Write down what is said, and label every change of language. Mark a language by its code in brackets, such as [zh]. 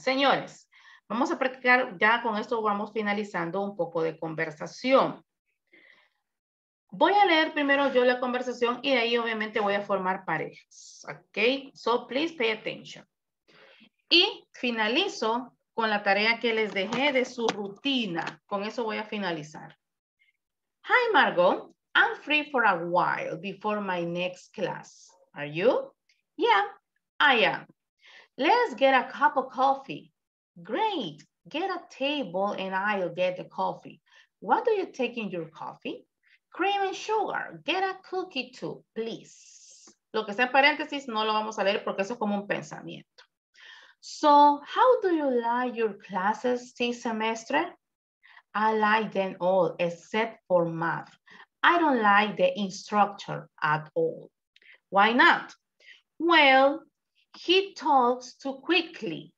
[es] Señores, vamos a practicar, ya con esto vamos finalizando un poco de conversación. Voy a leer primero yo la conversación y de ahí obviamente voy a formar parejas. Ok, [en] so please pay attention. [es] Y finalizo con la tarea que les dejé de su rutina. Con eso voy a finalizar. [en] Hi, Margot. I'm free for a while before my next class. Are you? Yeah, I am. Let's get a cup of coffee. Great. Get a table and I'll get the coffee. What do you take in your coffee? Cream and sugar. Get a cookie too, please. [es] Lo que está en paréntesis no lo vamos a leer porque eso es como un pensamiento. [en] So, how do you like your classes this semester? I like them all except for math. I don't like the instructor at all. Why not? Well, he talks too quickly.